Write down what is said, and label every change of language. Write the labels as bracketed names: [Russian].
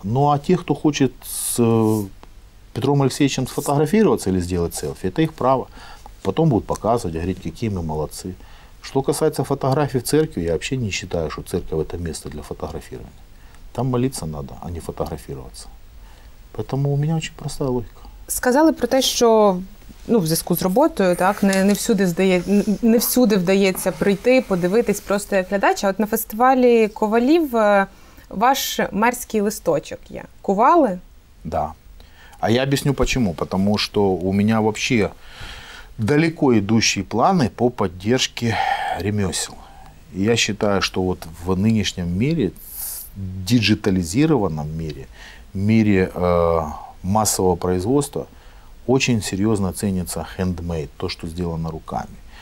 [Russian] Ну, а те, кто хочет с Петром Алексеевичем сфотографироваться или сделать селфи, это их право. Потом будут показывать, говорить, какие мы молодцы. Что касается фотографий в церкви, я вообще не считаю, что церковь – это место для фотографирования. Там молиться надо, а не фотографироваться. Поэтому у меня очень простая логика. [Ukrainian] Сказали про те, що... Ну, в зв'язку з роботою, так, не всюди вдається прийти, подивитись просто як глядач. А от на фестивалі ковалів ваш мерський листочок є. Кували? [Russian] Да. А я объясню почему. Потому что у меня вообще далеко идущие планы по поддержке ремесел. Я считаю, что вот в нынешнем мире, диджитализированном мире, мире массового производства, очень серьезно ценится хендмейд, то, что сделано руками.